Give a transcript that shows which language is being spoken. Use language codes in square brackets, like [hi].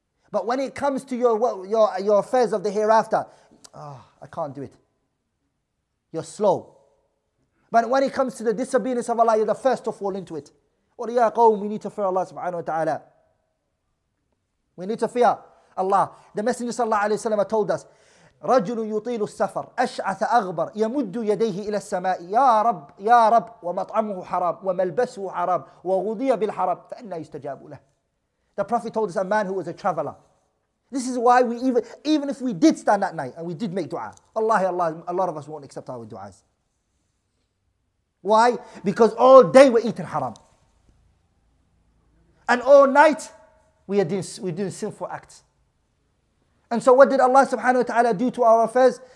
[en] But when it comes to your affairs of the hereafter, I can't do it. You're slow. But when it comes to the disobedience of Allah, you're the first to fall into it. What are you, we need to fear Allah subhanahu wa ta'ala. We need to fear Allah. The Messenger sallallahu alayhi wa sallam told us, [ar] رجل يطيل السفر أشعث أغبر يمد يديه إلى السماء يا رب ومطعمه حرام وملبسه حرام وغضي بالحرام فأنا يستجاب له. [en] The Prophet told us, a man who was a traveler. This is why we even if we did stand at night and we did make dua, Allah, a lot of us won't accept our duas. Why? Because all day we're eating haram. And all night we're doing sinful acts. And so what did Allah subhanahu wa ta'ala do to our affairs?